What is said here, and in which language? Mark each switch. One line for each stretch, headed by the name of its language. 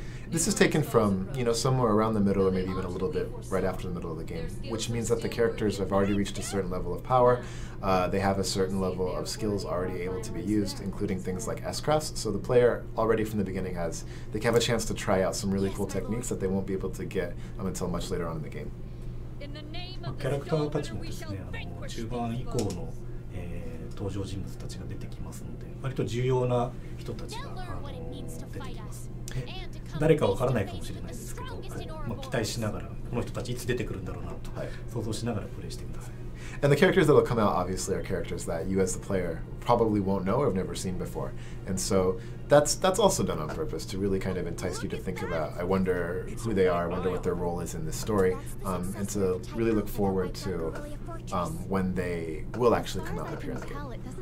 English: This is taken from, you know, somewhere around the middle or maybe even a little bit right after the middle of the game, which means that the characters have already reached a certain level of power. They have a certain level of skills already able to be used, including things like S-Crest. So the player already from the beginning has, they have a chance to try out some really cool techniques that they won't be able to get until much later on in the game.
Japanese: キャラクターたちもですね、中盤以降の、登場人物たちが出てきますので、割と重要な人たちが出てきます。誰かわからないかもしれないですけど、はい、まあ、期待しながらこの人たちいつ出てくるんだろうなと想像しながらプレイしてください。
English: And the characters that will come out obviously are characters that you as the player probably won't know or have never seen before. And so that's also done on purpose to really kind of entice you to think about, I wonder who they are, I wonder what their role is in this story, and to really look forward to when they will actually come out and appear in the game.